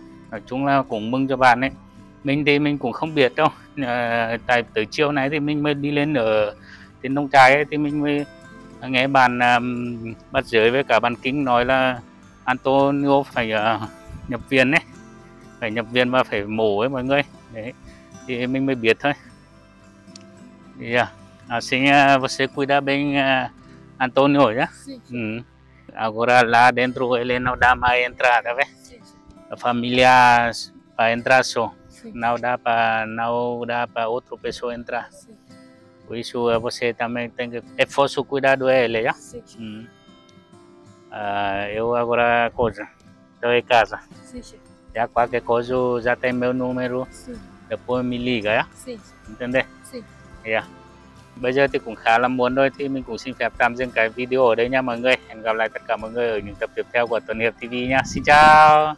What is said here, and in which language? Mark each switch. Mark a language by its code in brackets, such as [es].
[vi] Nói chung là cũng mừng cho bạn ấy. Mình thì mình cũng không biết đâu, tại tới chiều nay thì mình mới đi lên ở trên nông trại ấy, thì mình mới nghe bạn bắt giới với cả bạn Kính nói là Antonio phải nhập viện ấy, phải nhập viện và phải mổ ấy mọi người đấy, thì mình mới biết thôi. [en] Yeah. [pt] Assim você cuida bem Antônio, já? Sim. Agora lá dentro ele não dá mais entrada, vê? Sim. A família para entrar só. Sim. Não dá para outra pessoa entrar. Sim. Por isso você também tem que esforço cuidar do ele, já? Sim. Eu agora coisa, estou em casa. Sim. Já qualquer coisa já tem meu número. Sim. Depois me liga, já? Sim. Entendeu? Sim. [en] Yeah. [vi] Bây giờ thì cũng khá là muộn rồi, thì mình cũng xin phép tạm dừng cái video ở đây nha mọi người. Hẹn gặp lại tất cả mọi người ở những tập tiếp theo của Tuần Hiệp TV nha. Xin chào.